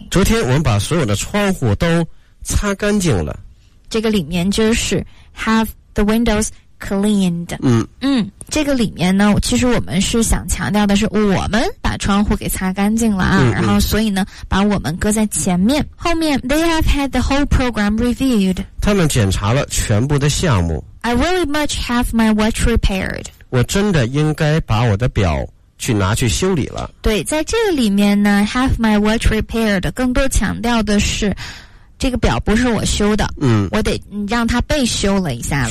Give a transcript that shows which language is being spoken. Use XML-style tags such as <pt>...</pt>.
<zh>昨天我们把所有的窗户都擦干净了。这个里面就是</zh> <en>have the windows cleaned。</en> <zh>这个里面呢，其实我们是想强调的是我们把窗户给擦干净了啊。然后所以呢把我们搁在前面。</zh> <en>后面 They have had the whole program reviewed。</en> <zh>他们检查了全部的项目。</zh> <en>I really much have my watch repaired。</en> <zh>我真的应该把我的表去拿去修理了。对，在这个里面呢</zh> <en>have my watch repaired</en> <zh>更多强调的是这个表不是我修的，我得让它被修了一下了。</zh>